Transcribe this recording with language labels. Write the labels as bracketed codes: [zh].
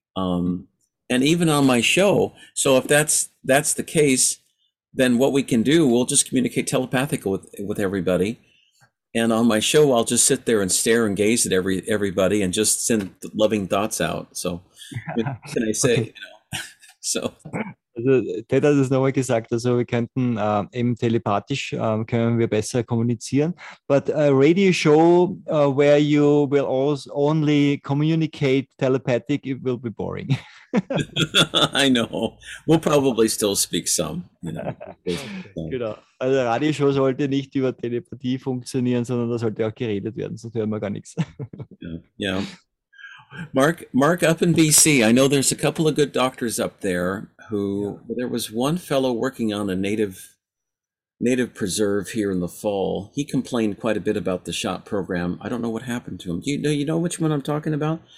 [en] And even on my show, so if that's the case, then what we can do, we'll just communicate telepathically with everybody. And on my show, I'll just sit there and stare and gaze at everybody and just send loving thoughts out. So what can I say? Okay. You know? So. [de] Also, Ted hat es nochmal gesagt, also wir könnten eben telepathisch, können wir besser kommunizieren. [en] But a radio show where you will also only communicate telepathic, it will be boring. I know. We'll probably still speak some. You know. [de] Genau. Also eine Radioshow sollte nicht über Telepathie funktionieren, sondern da sollte auch geredet werden, sonst hören wir gar nichts. [en] Yeah. Mark, up in BC, I know there's a couple of good doctors up there. There was one fellow working on a native native preserve here in the fall. He complained quite a bit about the shot program. I don't know what happened to him. Do you know which one I'm talking about?